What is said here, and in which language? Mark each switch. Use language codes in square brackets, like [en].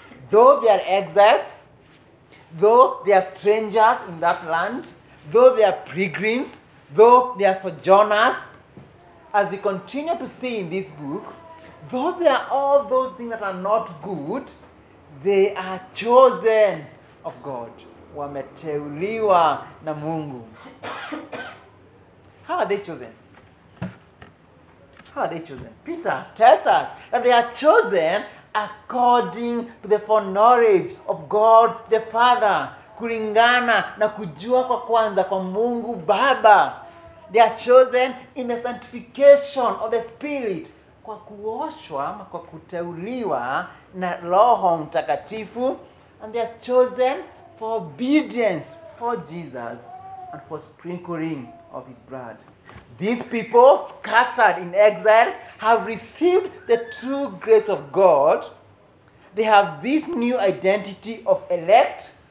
[en] Though they are exiles, though they are strangers in that land, though they are pilgrims, though they are sojourners, as we continue to see in this book, though they are all those things that are not good, they are chosen of God. [sw] Wameteuliwa na Mungu. [en] How are they chosen? How are they chosen? Peter tells us that they are chosen according to the foreknowledge of God the Father. [sw] Kulingana na kujua kwa kwanza kwa Mungu Baba. [en] They are chosen in the sanctification of the Spirit. [sw] Kwa kuoshwa, kwa kuteuliwa na Roho Mtakatifu. [en] And they are chosen for obedience for Jesus and for sprinkling of his blood. These people scattered in exile have received the true grace of God. They have this new identity of elect.